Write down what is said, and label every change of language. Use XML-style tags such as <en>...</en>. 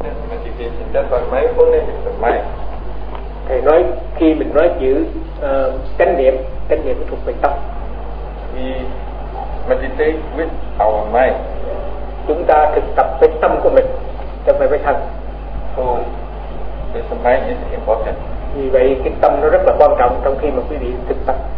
<en>meditation, that's what mindfulness is for mind.</en> <vi>Thầy nói khi mình nói chữ chánh niệm thuộc về tâm.</vi> <en>We meditate with our mind.</en> <vi>Chúng ta thực tập với tâm của mình, chẳng phải với thân.</vi> <en>So, the mind is important.</en> <vi>Vì vậy cái tâm nó rất là quan trọng trong khi mà quý vị thực tập.</vi>